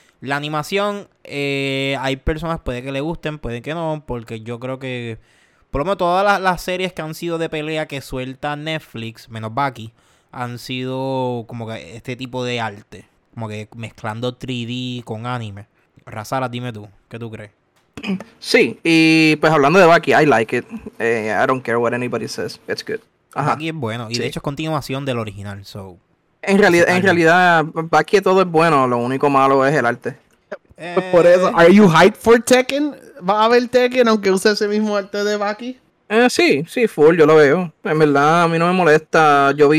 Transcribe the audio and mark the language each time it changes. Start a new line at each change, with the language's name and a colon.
Spanish: La animación, hay personas, puede que le gusten, puede que no, porque yo creo que, por lo menos todas las series que han sido de pelea que suelta Netflix, menos Bucky, han sido como que este tipo de arte, como que mezclando 3D con anime. Razara, dime tú, ¿qué tú crees? Sí, y pues hablando de Bucky,
English: I like it, I don't care what anybody says, it's good.
Spanish: Ajá. Bucky es bueno, y sí. De hecho es continuación del original, so... En realidad, Bucky todo es bueno, lo único malo es el arte. Por eso,
English: ¿are you hyped for Tekken?
Spanish: ¿Va a haber Tekken aunque use ese mismo arte de Bucky? Sí, full, yo lo veo. En verdad, a mí no me molesta.